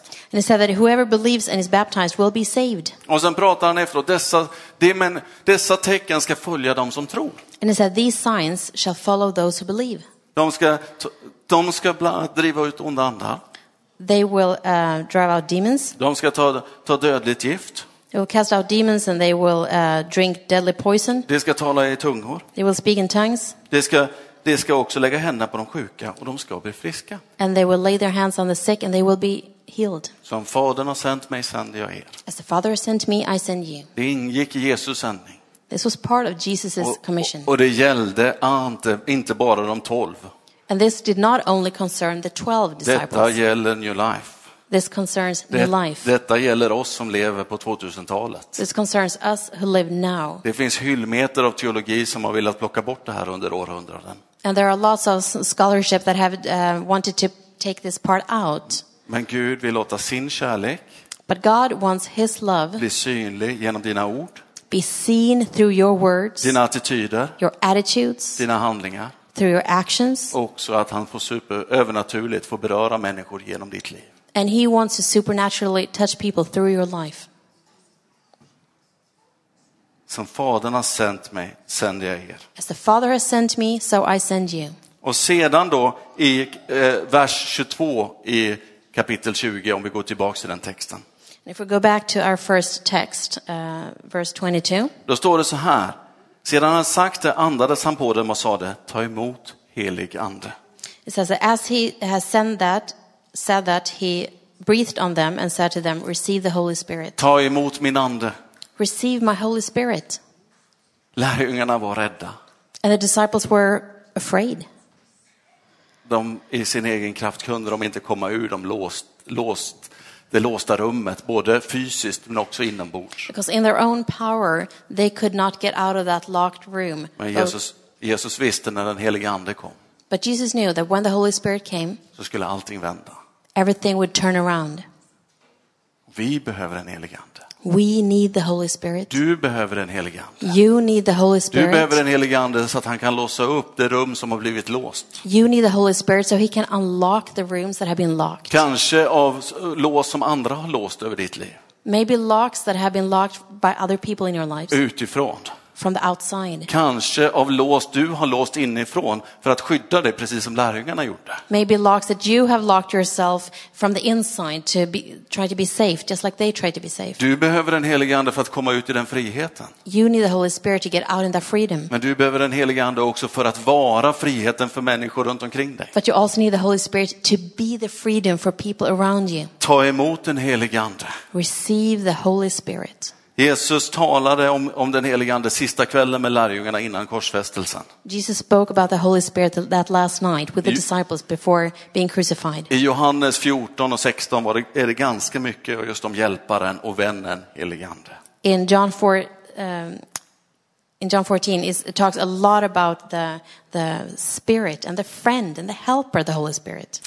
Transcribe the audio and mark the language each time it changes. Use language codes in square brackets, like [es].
[en] And he said that whoever believes and is baptized will be saved. [sv] Och sen pratar han efteråt dessa tecken ska följa dem som tror. [en] And he said these signs shall follow those who believe. [sv] De ska bland annat driva ut onda andar. [en] They will drive out demons. [sv] De ska ta dödligt gift. [en] They will cast out demons and they will drink deadly poison. [sv] De ska tala i tungor. [en] They will speak in tongues. [sv] De ska också lägga händerna på de sjuka och de ska bli friska. [en] And they will lay their hands on the sick and they will be healed. [sv] Som fadern har sänt mig sänder jag er. [en] As the Father has sent me, I send you. [sv] Det ingick i Jesus sändning. [en] This was part of Jesus' commission. [sv] Och det gällde inte bara de 12. [en] And this did not only concern the 12 disciples. [sv] Detta gäller new life. [en] This concerns new life. [sv] Detta gäller oss som lever på 2000-talet. [en] This concerns us who live now. [sv] Det finns hyllmeter av teologi som har velat plocka bort det här under århundraden. [en] And there are lots of scholarship that have wanted to take this part out. [sv] Men Gud vill låta sin kärlek. [en] But God wants his love. [sv] Bli synlig genom dina ord. [en] Be seen through your words, [sv] dina attityder, [en] your attitudes, [sv] dina handlingar, [en] through your actions, [sv] också att han får övernaturligt få beröra människor genom ditt liv. [en] And he wants to supernaturally touch people through your life. [sv] Som fadern har sänt mig, sänder jag er. [en] As the Father has sent me, so I send you. [sv] Och sedan då i vers 22 i kapitel 20, om vi går tillbaka till den texten. [en] If we go back to our first text, verse 22. [sv] Då står det så här. Sedan han sagt det andades han på dem och sade, ta emot helig ande. [en] It says that as he has said that he breathed on them and said to them, receive the Holy Spirit. [sv] Ta emot min ande. [en] Receive my Holy Spirit. [sv] Lärjungarna var rädda. [en] And the disciples were afraid. [sv] De i sin egen kraft kunde de inte komma ur, de låst. Det låsta rummet, både fysiskt men också inombords. [en] Because in their own power they could not get out of that locked room. [sv] Men Jesus visste när den helige ande kom. [en] But Jesus knew that when the Holy Spirit came, [sv] så skulle allting vända. [en] Everything would turn around. [sv] Vi behöver en helig ande. [en] We need the Holy Spirit. [sv] Du behöver den helige ande. [en] You need the Holy Spirit. [sv] Du behöver den helige ande så att han kan låsa upp det rum som har blivit låst. [en] You need the Holy Spirit so he can unlock the rooms that have been locked. [sv] Kanske av lås som andra har låst över ditt liv. [en] Maybe locks that have been locked by other people in your lives. [sv] Utifrån. [en] From the outside. [sv] Kanske av lås du har låst inifrån för att skydda dig precis som lärjungarna gjorde. [en] Maybe locks that you have locked yourself from the inside to be, try to be safe just like they tried to be safe. [sv] Du behöver den helige ande för att komma ut i den friheten. [en] You need the Holy Spirit to get out in that freedom. [sv] Men du behöver den helige ande också för att vara friheten för människor runt omkring dig. [en] But you also need the Holy Spirit to be the freedom for people around you. [sv] Ta emot den helige ande. [en] Receive the Holy Spirit. [sv] Jesus talade om den helige ande sista kvällen med lärjungarna innan korsfästelsen. [en] Jesus spoke about the Holy Spirit that last night with the disciples before being crucified. [sv] I Johannes 14 och 16 var det, är det ganska mycket just om hjälparen och vännen helige ande. [en] In John 14 it talks a lot about the spirit and the friend and the helper, the Holy Spirit.